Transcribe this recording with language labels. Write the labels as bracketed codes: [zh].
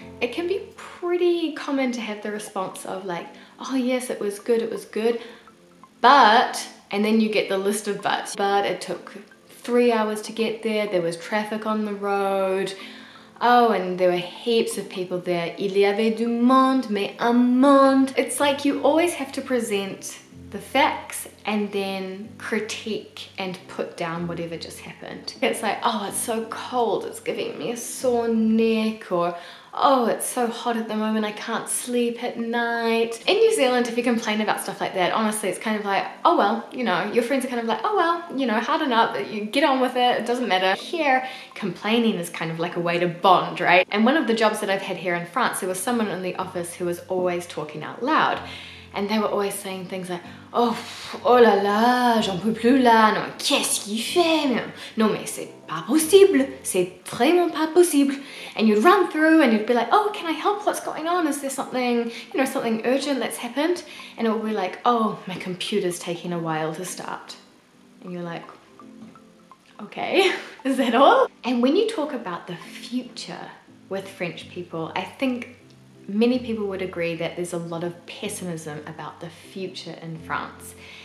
[en] It can be pretty common to have the response of like, oh yes, it was good, but, and then you get the list of buts, but it took 3 hours to get there, there was traffic on the road, oh, and there were heaps of people there. [fr] Il y avait du monde, mais un monde. [en] It's like you always have to present the facts and then critique and put down whatever just happened. It's like, oh, it's so cold, it's giving me a sore neck, or oh, it's so hot at the moment, I can't sleep at night. In New Zealand, if you complain about stuff like that, honestly, it's kind of like, oh well, you know, your friends are kind of like, oh well, you know, harden up, you get on with it, it doesn't matter. Here, complaining is kind of like a way to bond, right? And one of the jobs that I've had here in France, there was someone in the office who was always talking out loud. And they were always saying things like, oh, [fr] oh la la, j'en peux plus là, non, qu'est-ce qu'il fait? Non mais c'est pas possible, c'est vraiment pas possible. [en] And you'd run through and you'd be like, oh, can I help? What's going on? Is there something, you know, something urgent that's happened? And it would be like, oh, my computer's taking a while to start. And you're like, okay, is that all? And when you talk about the future with French people, I think many people would agree that there's a lot of pessimism about the future in France.